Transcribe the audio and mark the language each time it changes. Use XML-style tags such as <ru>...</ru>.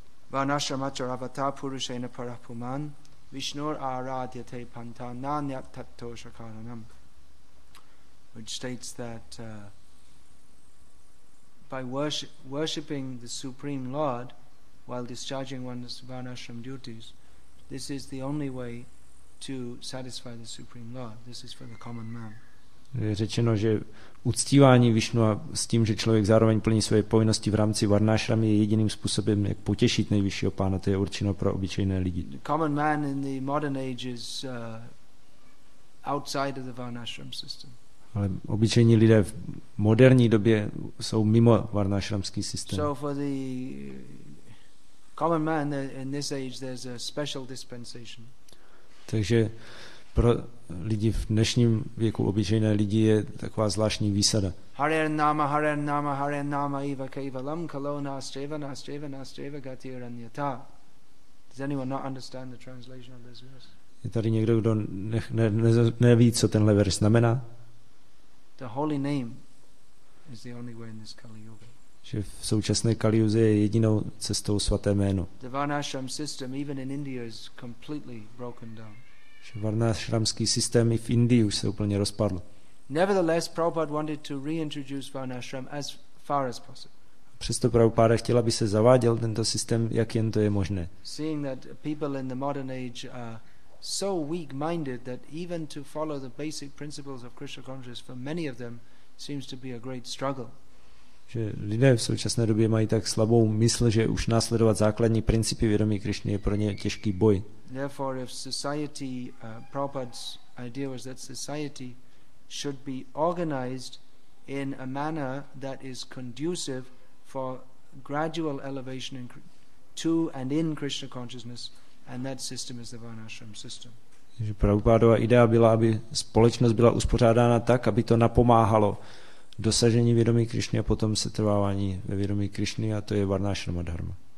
<sa>Varnashrama Charavata Purushena Parapuman Vishnur Aradhyate Panta Nanyat Tatto Shakaranam,</sa> <en>which states that by worshipping the Supreme Lord while discharging one's Varnashram duties, this is the only way to satisfy the Supreme Lord. This is for the common man.</en> <cs>Je řečeno, že uctívání Višnu a s tím, že člověk zároveň plní své povinnosti v rámci Varnashram, je jediným způsobem, jak potěšit nejvyššího pána, to je určeno pro obyčejné lidi.</cs> <en>The common man in the modern age is outside of the Varnashram system.</en> <cs>Ale obyčejní lidé v moderní době jsou mimo varnášramský systém.</cs> <en>So for the common man in this age there's a special dispensation.</en> <cs>Takže pro lidi v dnešním věku, obyčejné lidi, je taková zvláštní výsada.</cs> <sa>Hare nama, hare nama, hare nama, eva kevalam, kalo nasceva, nasceva, nasceva, gati aranyata.</sa> <en>Does anyone not understand the translation of this verse?</en> <cs>Je tady někdo, kdo neví, co tenhle verš znamená?</cs> <en>The holy name is the only way in this Kali Yuga.</en> <cs>Že v současné Kali Yuze je jedinou cestou svaté jméno.</cs> <en>The Varnashram system even in India is completely broken down.</en> <cs>Že Varnashramský systém i v Indii už se úplně rozpadl.</cs> <en>Nevertheless, Prabhupada wanted to reintroduce Varnashram as far as possible.</en> <cs>Přesto Prabhupada chtěl, aby se zaváděl tento systém, jak jen to je možné.</cs> <en>Seeing that people in the modern age are so weak-minded that even to follow the basic principles of Krishna consciousness for many of them seems to be a great struggle.</en> <cs>Že lidé v současné době mají tak slabou mysl, že už následovat základní principy vědomí Krišny je pro ně těžký boj.</cs> <en>Therefore, if society, Prabhupada's idea was that society should be organized in a manner that is conducive for gradual elevation in Krishna consciousness. And that system is the Varnashram system.</en> <cs>Že Prabhupádova idea byla, aby společnost byla uspořádána tak, aby to napomáhalo dosažení vědomí Krišny a potom setrvávání ve vědomí Krišny, a to je Varnashrama Dharma.</cs>